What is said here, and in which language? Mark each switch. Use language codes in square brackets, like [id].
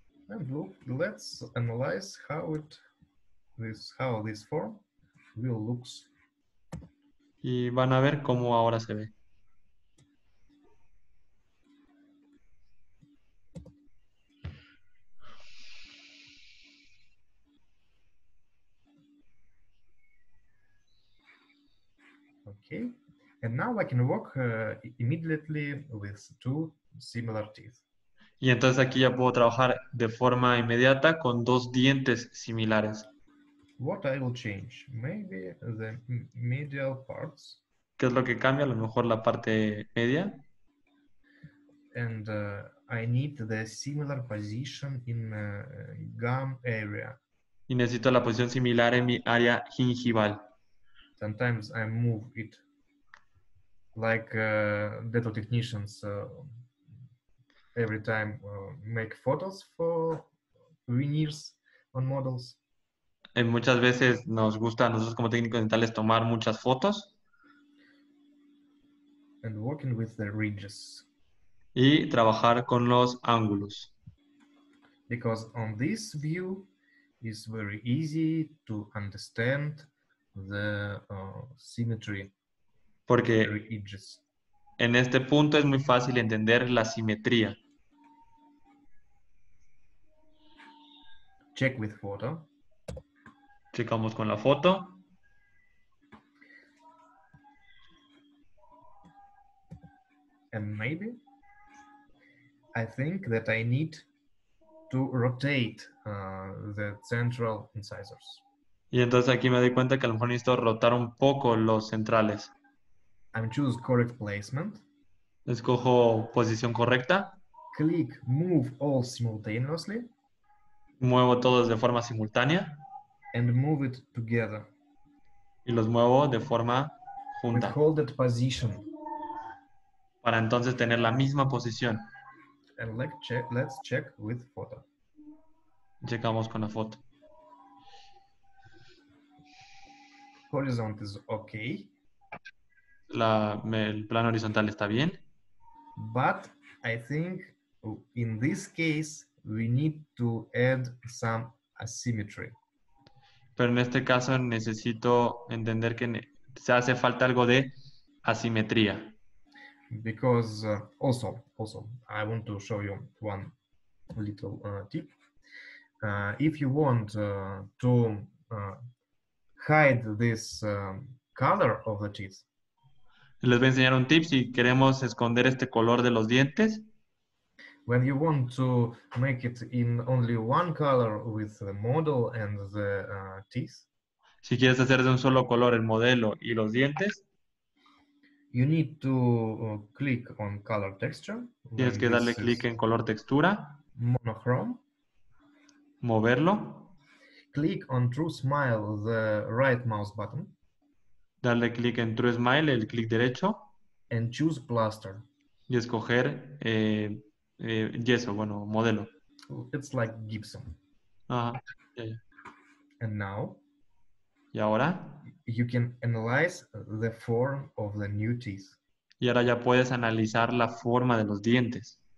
[en] And look, let's analyze how this form will looks. [es] Y van a ver cómo ahora se ve. [en] Okay. And now I can work immediately with two similar teeth. [es] Y entonces aquí ya puedo trabajar de forma inmediata con dos dientes similares. [en] What I will change? Maybe the medial parts. [es] ¿Qué es lo que cambia? A lo mejor la parte media. [en] And I need the similar position in gum area. [es] Y necesito la posición similar en mi área gingival. [en] Sometimes I move it like dental technicians every time make photos for veneers on models. [es] Y muchas veces nos gusta a nosotros como técnicos dentales tomar muchas fotos. [en] And working with the ridges. [es] Y trabajar con los ángulos. [en] Because on this view is very easy to understand the symmetry. [es] Porque en este punto es muy fácil entender la simetría. [en] Check with photo. [es] Checamos con la foto. [en] And maybe I think that I need to rotate the central incisors. [es] Y entonces aquí me doy cuenta que a lo mejor necesito rotar un poco los centrales. [en] I'm choose correct placement. [es] Escojo posición correcta. [en] Click move all simultaneously. [es] Muevo todos de forma simultánea. [en] And move it together. [es] Y los muevo de forma junta. [en] With hold that position. [es] Para entonces tener la misma posición. [en] And let's check with photo. [es] Checamos con la foto. [en] Horizont is okay. [es] El plano horizontal está bien. [en] But I think in this case we need to add some asymmetry. [es] Pero en este caso necesito entender que se hace falta algo de asimetría. [en] Because also I want to show you one little tip. If you want to hide this color of the teeth. [es] Les voy a enseñar un tip si queremos esconder este color de los dientes. [en] When you want to make it in only one color with the model and the teeth. [es] Si quieres hacer de un solo color el modelo y los dientes. [en] You need to click on color texture. [es] Tienes que darle clic en color textura. [en] Monochrome. [es] Moverlo. [en] Click on True Smile, the right mouse button. [es] Darle clic en True Smile, el clic derecho. [en] And choose plaster. [es] Y escoger yeso, bueno, modelo. [en] It's like Gibson. Ajá. Yeah. And now. [es] Y ahora. [en] You can analyze the form of the new teeth. [es] Y ahora ya puedes analizar la forma de los dientes.